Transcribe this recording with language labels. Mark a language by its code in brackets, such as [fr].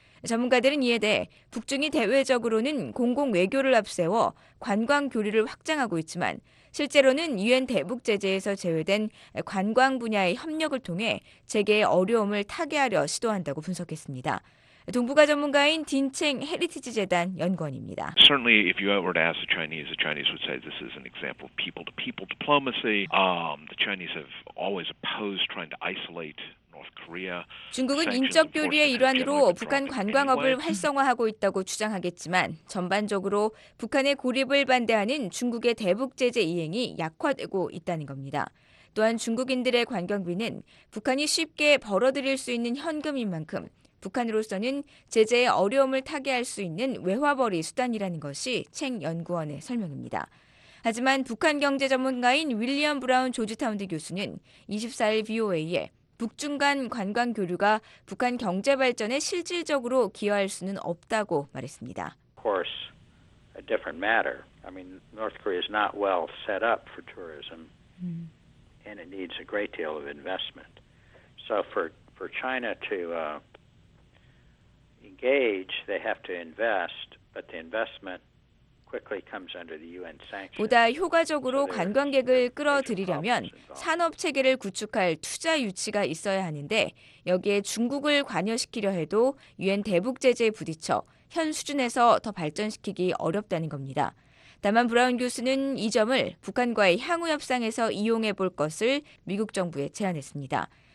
[ko] 전문가들은 이에 대해 북중이 대외적으로는 공공 외교를 앞세워 관광 교류를 확장하고 있지만 실제로는 유엔 대북 제재에서 제외된 관광 분야의 협력을 통해 재개의 어려움을 타개하려 시도한다고 분석했습니다. 동북아 전문가인 딘챙 헤리티지 재단 연구원입니다. [en] Certainly if you were to ask the Chinese would say this is an example of people to people diplomacy. The Chinese have always opposed trying to isolate [ko] 중국은 인적 교류의 일환으로 북한 관광업을 활성화하고 있다고 주장하겠지만 전반적으로 북한의 고립을 반대하는 중국의 대북 제재 이행이 약화되고 있다는 겁니다. 또한 중국인들의 관광비는 북한이 쉽게 벌어들일 수 있는 현금인 만큼 북한으로서는 제재의 어려움을 타개할 수 있는 외화벌이 수단이라는 것이 챙 연구원의 설명입니다. 하지만 북한 경제 전문가인 윌리엄 브라운 조지타운대 교수는 24일 VOA에 북중 간 관광 교류가 북한 경제 발전에 실질적으로 기여할 수는 없다고 말했습니다. [en] Of course, a different matter. I mean, North Korea is not well set up for tourism, and it needs a great deal of investment. So for China to engage, they have to invest, but the investment [ko] 보다 효과적으로 관광객을 끌어들이려면 산업체계를 구축할 투자 유치가 있어야 하는데 여기에 중국을 관여시키려 해도 유엔 대북 제재에 부딪혀 현 수준에서 더 발전시키기 어렵다는 겁니다. 다만 브라운 교수는 이 점을 북한과의 향후 협상에서 이용해 볼 것을 미국 정부에 제안했습니다.